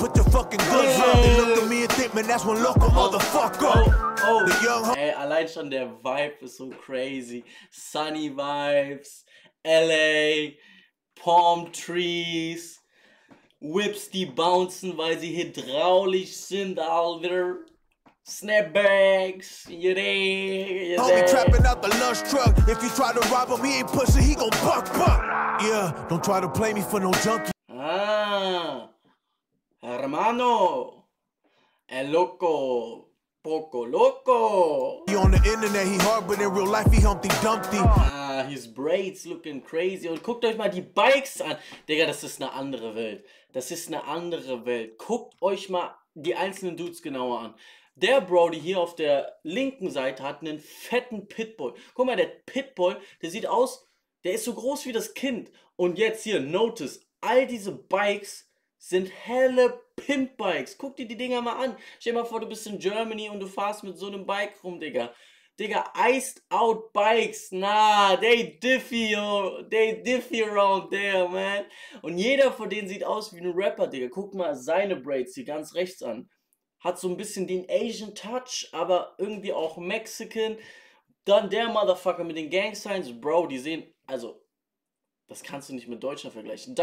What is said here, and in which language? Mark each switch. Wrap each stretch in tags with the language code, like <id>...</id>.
<en>Put your fucking guns up. They look at me and think, man, that's one local motherfucker. Oh.</en> <de>Ey, allein schon der Vibe ist so crazy.</de> <en>Sunny Vibes. LA. Palm Trees.</en> <de>Whips, die bouncen, weil sie hydraulisch sind, Alter.</de> <en>Snapbacks, yeah. Homie trapping out the lunch truck. If you try to rob him, he ain't pussy, he gon' buck, buck. Yeah, don't try to play me for no junkie.</en> <es>Ah, hermano. El loco. Poco loco.</es> <en>He on the internet, he hard, but in real life, he Humpty Dumpty. Ah, his braids looking crazy.</en> <de>Und guckt euch mal die Bikes an. Digga, das ist eine andere Welt. Das ist eine andere Welt. Guckt euch mal die einzelnen Dudes genauer an. Der Brody hier auf der linken Seite hat einen fetten Pitbull. Guck mal, der Pitbull, der sieht aus, der ist so groß wie das Kind. Und jetzt hier,</de> <en>notice,</en> <de>all diese Bikes sind helle Pimp-Bikes. Guck dir die Dinger mal an. Stell dir mal vor, du bist in Germany und du fahrst mit so einem Bike rum, Digga.</de> <en>Digga, iced out Bikes. Nah, they diffy, yo. They diffy around there, man.</en> <de>Und jeder von denen sieht aus wie ein Rapper, Digga. Guck mal seine Braids hier ganz rechts an. Hat so ein bisschen den Asian Touch, aber irgendwie auch Mexican. Dann der Motherfucker mit den Gang Signs. Bro, die sehen, also, das kannst du nicht mit Deutschland vergleichen.</de>